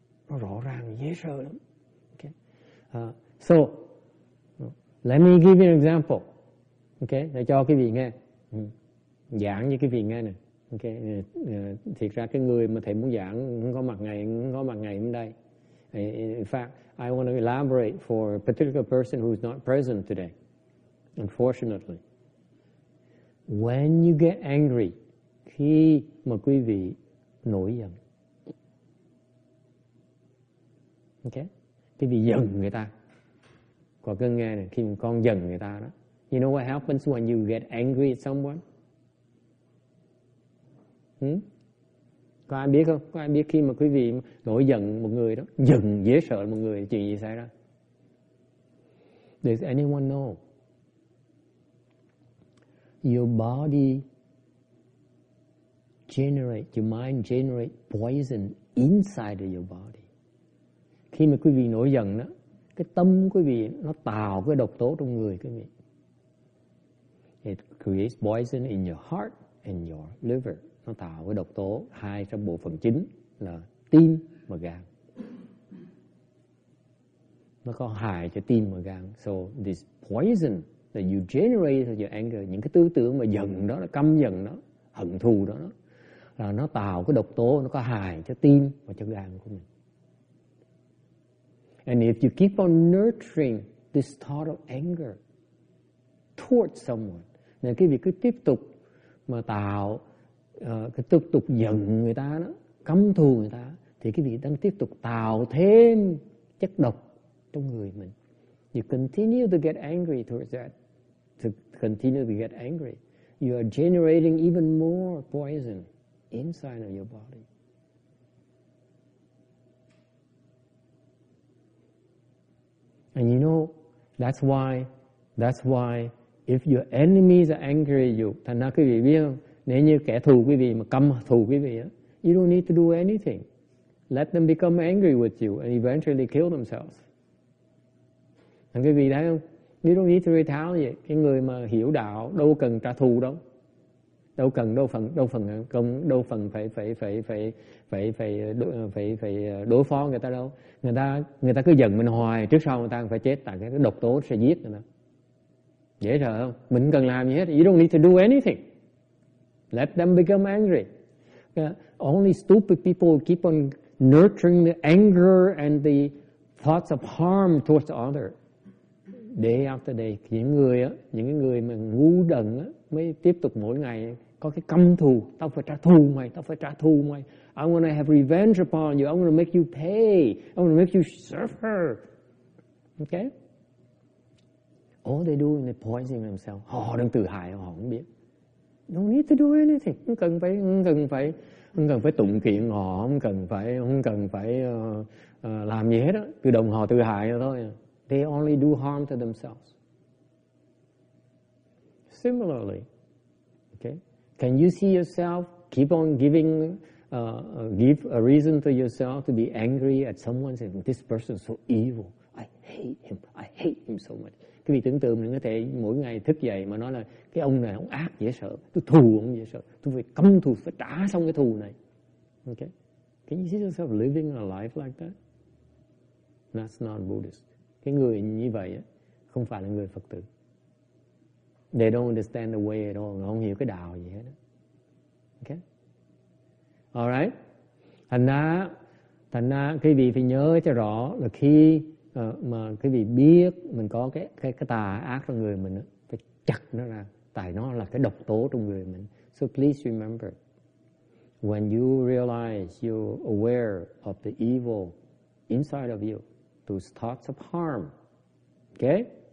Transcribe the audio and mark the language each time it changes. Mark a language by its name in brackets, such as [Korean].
[Vietnamese] Nó rõ ràng, dễ sợ lắm. [English] Okay. So, let me give you an example. [Vietnamese] Ok, để cho quý vị nghe. Giảng như quý vị nghe nè. Ok, thiệt ra cái người mà thầy muốn giảng không có mặt ngày hôm nay. [English] In fact, I want to elaborate for a particular person who is not present today, unfortunately. When you get angry, [Vietnamese] khi mà quý vị nổi giận. Ok, quý vị giận người ta. Có cứ nghe này, khi con giận người ta đó. [English] You know what happens when you get angry at someone? [Vietnamese] Có ai biết không? Có ai biết khi mà quý vị nổi giận một người đó, giận dễ sợ một người, chuyện gì xảy ra? [English] Does anyone know? Your body generate, your mind generate poison inside of your body. [Vietnamese] Khi mà quý vị nổi giận đó, cái tâm quý vị nó tạo cái độc tố trong người quý vị. [English] It creates poison in your heart and your liver. [Vietnamese] Nó tạo cái độc tố hai trong bộ phận chính là tim và gan. Nó có hại cho tim và gan. [English] So this poison that you generate your anger, [Vietnamese] những cái tư tưởng mà giận đó, là căm giận đó, hận thù đó, là nó tạo cái độc tố, nó có hại cho tim và cho gan của mình. [English] And if you keep on nurturing this thought of anger towards someone, [Vietnamese] nên cái việc cứ tiếp tục mà tạo cái tiếp tục giận người ta đó, căm thù người ta, thì cái việc đang tiếp tục tạo thêm chất độc trong người mình. [English] You continue to get angry towards that, to continue to get angry, you are generating even more poison inside of your body. And you know, that's why if your enemies are angry at you, [Vietnamese] thành ra quý vị biết không? Nếu như kẻ thù quý vị mà căm thù quý vị, [English] you don't need to do anything. Let them become angry with you and eventually kill themselves. [Vietnamese] Thành quý vị thấy không? [English] You don't need to retaliate. [Vietnamese] Cái người mà hiểu đạo đâu cần trả thù đâu. Đâu cần phải đối phó người ta đâu. Người ta cứ giận mình hoài, trước sau người ta phải chết, tại cái độc tố sẽ giết người ta. Dễ sợ không? Mình cần làm gì hết. [English] You don't need to do anything. Let them become angry. Only stupid people keep on nurturing the anger and the thoughts of harm towards others. Day after day, [Vietnamese] những người mà ngu đần á, mới tiếp tục mỗi ngày có cái căm thù. Tao phải trả thù mày, tao phải trả thù mày. [English] I'm gonna have revenge upon you. I'm gonna make you pay. I'm gonna make you suffer. Okay? All they do is poisoning themselves. [Vietnamese] Họ đang tự hại, họ không biết. [English] Don't need to do anything. [Vietnamese] Không cần phải tụng kiện họ, không cần phải làm gì hết á. Tự động họ tự hại thôi. [English] They only do harm to themselves. Similarly, okay? Can you see yourself keep on giving give a reason to yourself to be angry at someone saying, this person is so evil. I hate him so much. [Vietnamese] Cái vị tưởng tượng mình có thể mỗi ngày thức dậy mà nói là cái ông này ông ác dễ sợ, tôi thù ông dễ sợ, tôi phải căm thù, phải trả xong cái thù này. [English] Okay? Can you see yourself living a life like that? That's not Buddhist. [Vietnamese] Cái người như vậy không phải là người Phật tử. [English] They don't understand the way at all. [Vietnamese] Nó không hiểu cái đạo gì hết. Okay? Alright? Thành ra, quý vị phải nhớ cho rõ là khi mà quý vị biết mình có cái tà ác trong người mình, phải chặt nó ra. Tại nó là cái độc tố trong người mình. [English] So please remember, when you realize you're aware of the evil inside of you, those thoughts of harm, okay?